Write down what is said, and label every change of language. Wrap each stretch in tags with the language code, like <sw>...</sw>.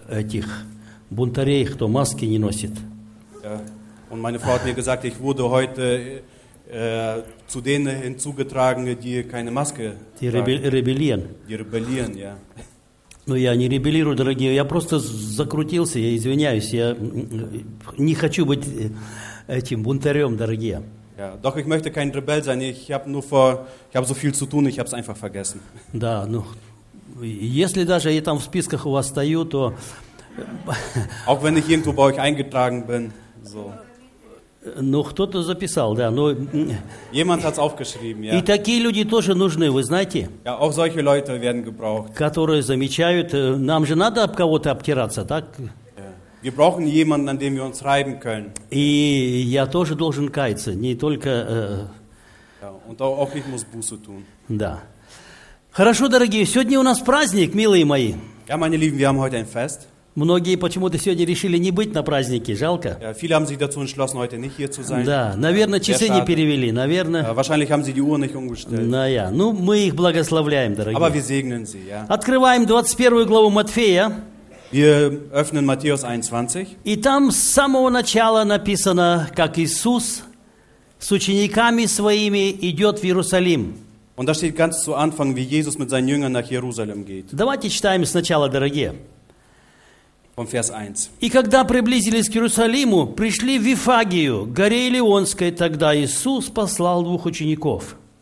<ru>этих бунтарей, кто маски не носит.</ru> <de>Und meine Frau hat mir gesagt, ich wurde heute zu denen hinzugetragen, die keine Maske tragen. Die rebellieren, ja.</de> <ru>Ну я не ребелирую, дорогие, я просто закрутился, я извиняюсь, я не хочу быть этим бунтарем, дорогие.</ru> <de>Ja, doch ich möchte kein Rebell sein. Ich habe nur vor, ich habe so viel zu tun, ich habe es einfach vergessen.</de> <ru>Да, ну если даже я там в списках у вас стою, то</ru> <de>auch wenn ich irgendwo bei euch eingetragen bin, so.</de> <ru>Ну кто-то записал, да, но</ru> <de>jemand hat's aufgeschrieben, ja.</de> <ru>И такие люди тоже нужны, вы знаете?</ru> <de>Ja, auch solche Leute werden gebraucht.</de> <ru>Которые замечают, нам же надо об кого-то обтираться, так?</ru> <de>Wir brauchen jemanden, an dem wir uns reiben können.</de> <ru>И я тоже должен каяться, не только</ru> <de>Ja, und auch ich muss Buße tun.</de> <ru>Да. Хорошо, дорогие, сегодня у нас праздник, милые мои.</ru> <de>Ja, meine Lieben, wir haben heute ein Fest.</de> <ru>Многие почему-то сегодня решили не быть на празднике, жалко.</ru> <de>Ja, viele haben sich dazu entschlossen, heute nicht hier zu sein.</de> <ru>Да, наверное, часы не перевели, наверное.</ru> <de>Ja, wahrscheinlich haben sie die Uhr nicht umgestellt.</de> <ru>Na ja, ну мы их благословляем, дорогие.</ru> <de>Aber wir segnen sie, ja.</de> <ru>Открываем 21 главу Матфея.</ru> <de>Wir öffnen Matthäus 21.</de> <ru>И там с самого начала написано, как Иисус с учениками своими идет в Иерусалим.</ru> <de>Und da steht ganz zu Anfang, wie Jesus mit seinen Jüngern nach Jerusalem geht.</de> <ru>Давайте читаем сначала, дорогие.</ru> <de>Von Vers 1.</de> <ru>И когда приблизились к Иерусалиму, пришли в Вифагию, горе Елеонской, тогда Иисус послал двух учеников.</ru>